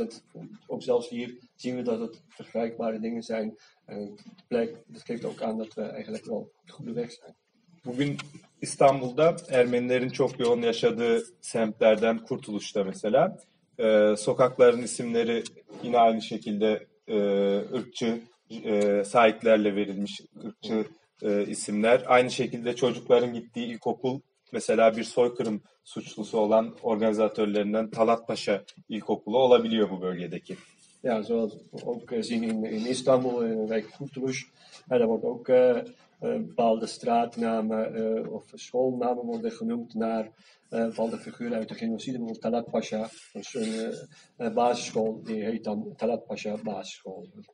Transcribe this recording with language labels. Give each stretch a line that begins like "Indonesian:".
Dutch: Dat, ook zelfs hier zien we dat het vergelijkbare dingen zijn en dat geeft ook aan dat we eigenlijk wel op de goede weg zijn.
Turkish: Bugün İstanbul'da Ermenilerin çok yoğun yaşadığı semtlerden Kurtuluş'ta mesela sokakların isimleri yine aynı şekilde ırkçı sahiplerle verilmiş ırkçı isimler. Aynı şekilde çocukların gittiği ilkokul mesela bir soykırım suçlusu olan organizatörlerinden Talat Paşa İlkokulu olabiliyor bu bölgedeki.
Dutch: Ja, zoals ook zien in İstanbul, in de wijk Kurtuluş, daar wordt ook bepaalde straatnamen of schoolnamen worden genoemd naar bepaalde figuren uit de genocide. Bijvoorbeeld Talat Paşa, dus een basisschool, die heet dan Talat Paşa Basisschool.